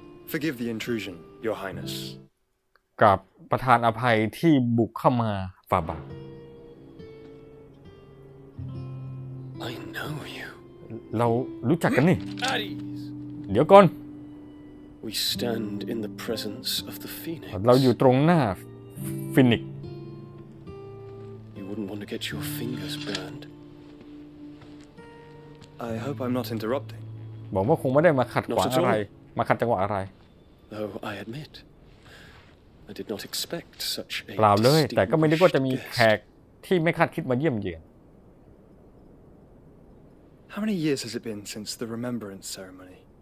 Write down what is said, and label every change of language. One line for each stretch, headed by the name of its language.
English: Forgive the intrusion, your highness.
Thai: กับประธานอภัยที่บุกเข้ามาฟาบา
English: ท I know you
Thai: เรารู้จักกันนี่
English: Aries
Thai: เดี๋ยวก่อน
English: We stand in the presence of the Phoenix
Thai: เราอยู่ตรงหน้าฟินิกซ์
English: You wouldn't want to get your fingers burned I hope I'm not interrupting
Thai: บอกว่าคงไม่ได้มาขัดขวางอะไรมาขัดจังหวะอะไร
English: Though I admitI did not expect such a
Thai: เปล่าเลยแต่ก็ไม่ได้ว่าจะมีแขกที่ไม่คาดคิดมาเยี่ยมเยือน
English: How many years has it been since the remembrance ceremony?